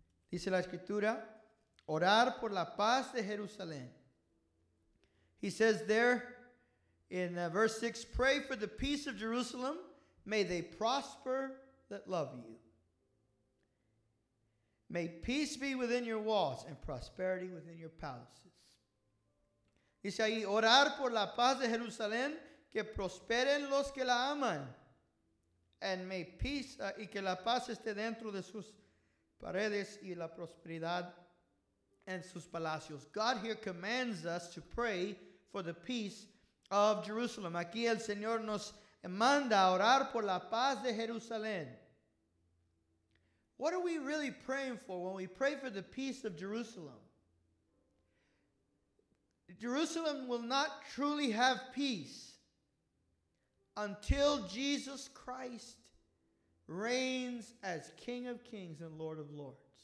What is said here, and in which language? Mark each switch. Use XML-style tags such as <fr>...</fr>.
<es>Dice la Escritura, orar por la paz de Jerusalén.</es> <en>He says there in verse 6, pray for the peace of Jerusalem. May they prosper that love you. May peace be within your walls and prosperity within your palaces.</en> <es>Dice ahí, orar por la paz de Jerusalén, que prosperen los que la aman.</es> <en>And may peace,</en> <es>y que la paz esté dentro de sus paredes y la prosperidad en sus palacios.</es> <en>God here commands us to pray for the peace of Jerusalem.</en> <es>Aquí el Señor nos manda a orar por la paz de Jerusalén.</es> <en>What are we really praying for when we pray for the peace of Jerusalem? Jerusalem will not truly have peace until Jesus Christ reigns as King of Kings and Lord of Lords.</en>